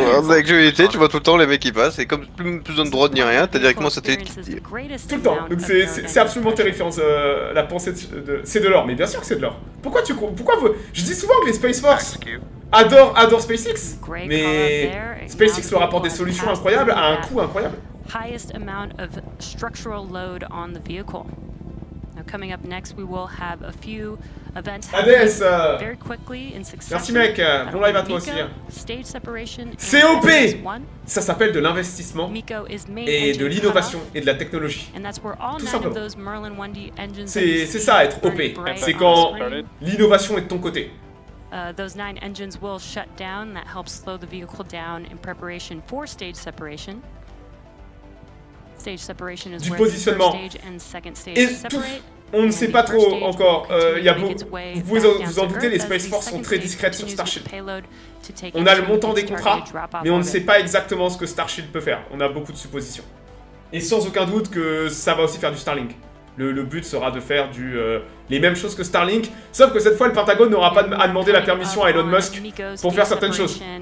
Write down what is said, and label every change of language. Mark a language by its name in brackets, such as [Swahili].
[French] Avec l'humanité, tu vois tout le temps les mecs qui passent, et comme plus besoin de droit ni rien, t'as directement cette satellite qui tire. Tout le temps. Donc c'est absolument terrifiant, la pensée de... C'est de l'or, mais bien sûr que c'est de l'or. Je dis souvent que les Space Force adorent SpaceX, mais SpaceX leur apporte des solutions incroyables à un coût incroyable. [English] Highest amount of structural load on the vehicle. Coming up next, we will have a few events ADS, very quickly in succession. [French] Merci mec, bon live à toi aussi. [English] Stage separation. [French] COP. Ça s'appelle de l'investissement et de l'innovation et de la technologie. Tout simplement. C'est ça être OP. C'est quand l'innovation est de ton côté. [English] Those nine engines will shut down. That helps slow the vehicle down in preparation for stage separation. [French] Du positionnement. Et tout, on ne sait pas trop encore. Vous pouvez vous en douter, les Space Force sont très discrètes sur Starshield. On a le montant des contrats, mais on ne sait pas exactement ce que Starshield peut faire. On a beaucoup de suppositions. Et sans aucun doute que ça va aussi faire du Starlink. Le but sera de faire les mêmes choses que Starlink, sauf que cette fois, le Pentagone n'aura pas à demander la permission à Elon Musk pour faire certaines choses.